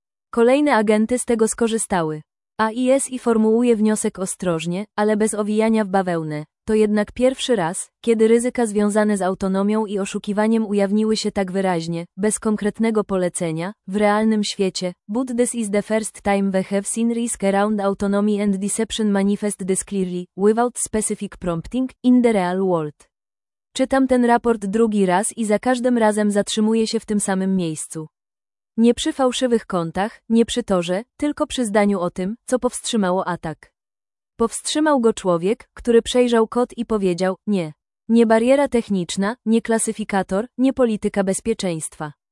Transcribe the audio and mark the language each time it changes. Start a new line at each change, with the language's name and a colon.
Polish: Kolejne agenty z tego skorzystały. AISI formułuje wniosek ostrożnie, ale bez owijania w bawełnę. To jednak pierwszy raz, kiedy ryzyka związane z autonomią i oszukiwaniem ujawniły się tak wyraźnie, bez konkretnego polecenia, w realnym świecie.
English: But this is the first time we have seen risk around autonomy and deception manifest this clearly, without specific prompting, in the real world.
Polish: Czytam ten raport drugi raz i za każdym razem zatrzymuję się w tym samym miejscu. Nie przy fałszywych kontach, nie przy torze, tylko przy zdaniu o tym, co powstrzymało atak. Powstrzymał go człowiek, który przejrzał kod i powiedział, nie. Nie bariera techniczna, nie klasyfikator, nie polityka bezpieczeństwa.